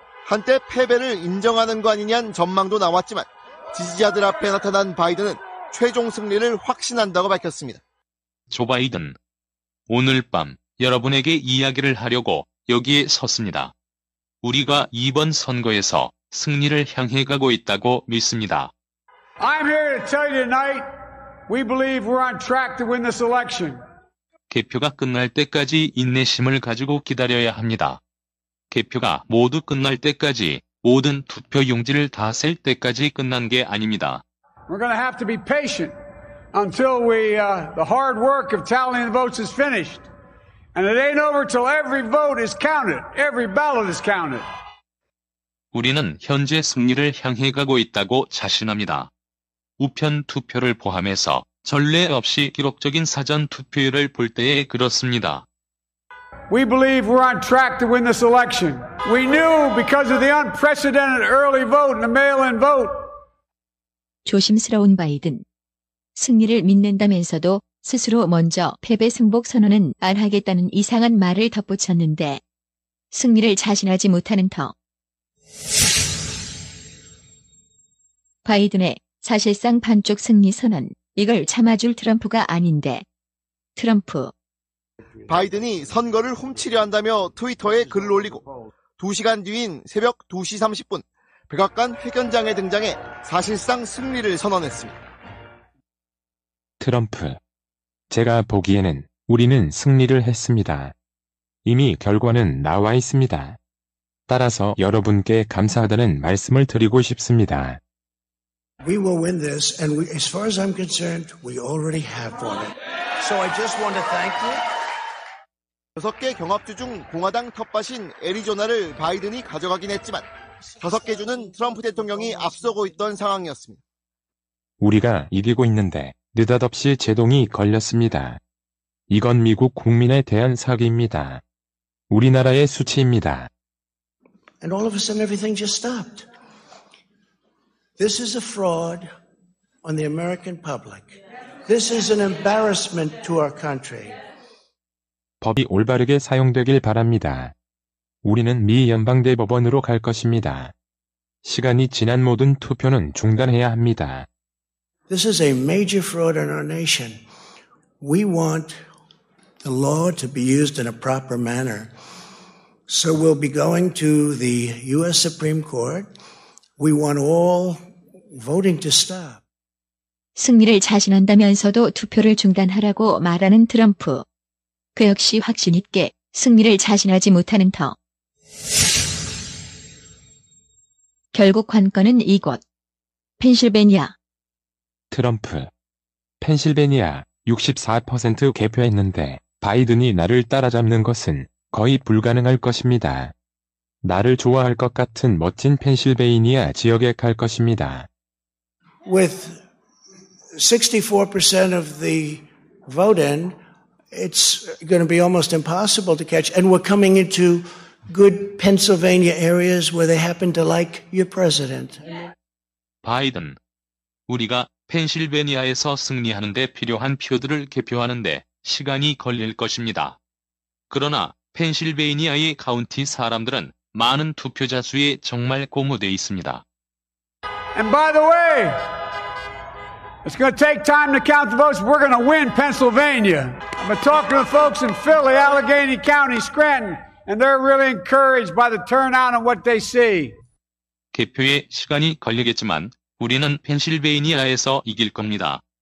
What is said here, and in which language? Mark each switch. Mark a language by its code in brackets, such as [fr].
[ko] 한때 패배를 인정하는 거 아니냐는 전망도 나왔지만 지지자들 앞에 나타난 바이든은 최종 승리를 확신한다고 밝혔습니다. 조 바이든, 오늘 밤 여러분에게 이야기를 하려고 여기에 섰습니다. 우리가 이번 선거에서 승리를 향해 가고 있다고 믿습니다. [en] I'm here to tell you tonight, we believe we're on track to win this election. [ko] 개표가 끝날 때까지 인내심을 가지고 기다려야 합니다. 개표가 모두 끝날 때까지 모든 투표 용지를 다 셀 때까지 끝난 게 아닙니다. [en] We're going to have to be patient until we the hard work of tallying the votes is finished. And it ain't over till every vote is counted. Every ballot is counted. [ko] 우리는 현재 승리를 향해 가고 있다고 자신합니다. 우편 투표를 포함해서 전례 없이 기록적인 사전 투표율을 볼 때에 그렇습니다. [en] We believe we're on track to win this election. We knew because of the unprecedented early vote and the mail-in vote. [ko] 조심스러운 바이든. 승리를 믿는다면서도 스스로 먼저 패배 승복 선언은 안 하겠다는 이상한 말을 덧붙였는데 승리를 자신하지 못하는 턱. 바이든의 사실상 반쪽 승리 선언. 이걸 참아줄 트럼프가 아닌데. 트럼프. 바이든이 선거를 훔치려 한다며 트위터에 글을 올리고 2시간 뒤인 새벽 2시 30분 백악관 회견장에 등장해 사실상 승리를 선언했습니다. 트럼프, 제가 보기에는 우리는 승리를 했습니다. 이미 결과는 나와 있습니다. 따라서 여러분께 감사하다는 말씀을 드리고 싶습니다. [en] We will win this, and we, as far as I'm concerned, we already have won it. So I just want to thank you. [ko] 6개 경합주 중 공화당 텃밭인 애리조나를 바이든이 가져가긴 했지만 5개 주는 트럼프 대통령이 앞서고 있던 상황이었습니다. 우리가 이기고 있는데 느닷없이 제동이 걸렸습니다. 이건 미국 국민에 대한 사기입니다. 우리나라의 수치입니다. [en] And all of a sudden everything just stopped. This is a fraud on the American public. This is an embarrassment to our country. [ko] 법이 올바르게 사용되길 바랍니다. 우리는 미 연방대법원으로 갈 것입니다. 시간이 지난 모든 투표는 중단해야 합니다. [en] This is a major fraud in our nation. We want the law to be used in a proper manner. So we'll be going to the U.S. Supreme Court. We want all voting to stop. [ko] 승리를 자신한다면서도 투표를 중단하라고 말하는 트럼프. 그 역시 확신 있게 승리를 자신하지 못하는 터. 결국 관건은 이곳. 펜실베니아. 트럼프. 펜실베니아 64% 개표했는데 바이든이 나를 따라잡는 것은 거의 불가능할 것입니다. 나를 좋아할 것 같은 멋진 펜실베니아 지역에 갈 것입니다. [en] With 64% of the vote in, it's going to be almost impossible to catch. And we're coming into good Pennsylvania areas where they happen to like your president. [ko] 바이든, 우리가 펜실베니아에서 승리하는데 필요한 표들을 개표하는데 시간이 걸릴 것입니다. 그러나 펜실베이니아의 카운티 사람들은 많은 투표자 수에 정말 고무되어 있습니다. [en] And by the way, it's going to take time to count the votes. We're going to win Pennsylvania. I've been talking to the folks in Philly, Allegheny County, Scranton, and they're really encouraged by the turnout and what they see. [ko] 개표에 시간이 걸리겠지만 우리는 펜실베이니아에서 이길 겁니다.